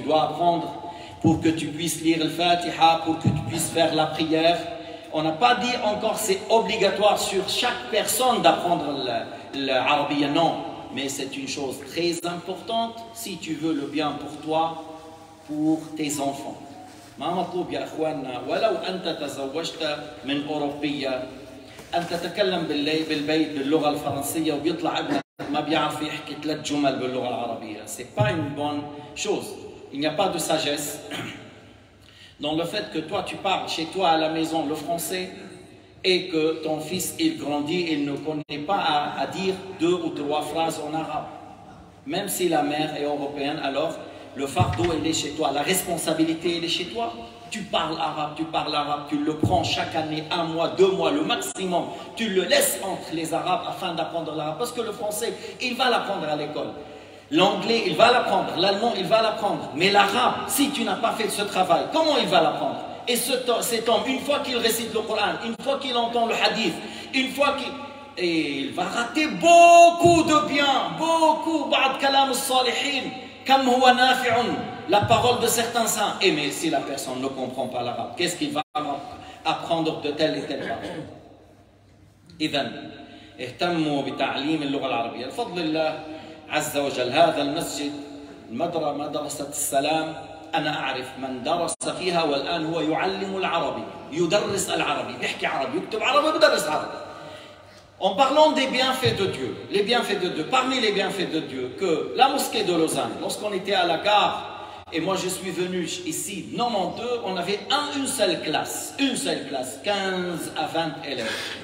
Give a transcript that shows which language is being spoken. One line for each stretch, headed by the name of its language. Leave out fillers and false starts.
French: Tu dois apprendre pour que tu puisses lire le Fatiha, pour que tu puisses faire la prière. On n'a pas dit encore que c'est obligatoire sur chaque personne d'apprendre l'arabiya. Non. Mais c'est une chose très importante si tu veux le bien pour toi, pour tes enfants.
Arabic: ما مطلوب يا إخواننا ولو أنت تزوجت من أوروبية أن تتكلم بالبيت باللغة الفرنسية وبيطلع ابنك ما بيعرف يحكي ثلاث جمل باللغة العربية.
French: C'est pas une bonne chose. Il n'y a pas de sagesse dans le fait que toi tu parles chez toi à la maison le français. Et que ton fils, il grandit, il ne connaît pas à dire deux ou trois phrases en arabe. Même si la mère est européenne, alors le fardeau, il est chez toi. La responsabilité, il est chez toi. Tu parles arabe, tu le prends chaque année, un mois, deux mois, le maximum. Tu le laisses entre les arabes afin d'apprendre l'arabe. Parce que le français, il va l'apprendre à l'école. L'anglais, il va l'apprendre. L'allemand, il va l'apprendre. Mais l'arabe, si tu n'as pas fait ce travail, comment il va l'apprendre? Et cet homme, une fois qu'il récite le Coran, une fois qu'il entend le hadith, une fois qu'il... Et il va rater beaucoup de bien, beaucoup.
Arabic: بعد كلام الصالحين كم هو نافع.
French: La parole de certains saints. Et mais si la personne ne comprend pas l'arabe, qu'est-ce qu'il va apprendre de telle et telle parole?
Arabic: إذن اهتموا بتعليم اللغة العربية. الفضل الله عز وجل هذا المسجد مدرة مدرسة السلام. أنا أعرف من درس فيها والآن هو يعلم العربي يدرس العربي يحكي عربي يكتب عربي يدرس عربي.
French: En parlant des bienfaits de Dieu, les bienfaits de Dieu, parmi les bienfaits de Dieu, que la mosquée de Lausanne, lorsqu'on était à la gare, et moi je suis venu ici, 92, on avait une seule classe, 15 à 20 élèves.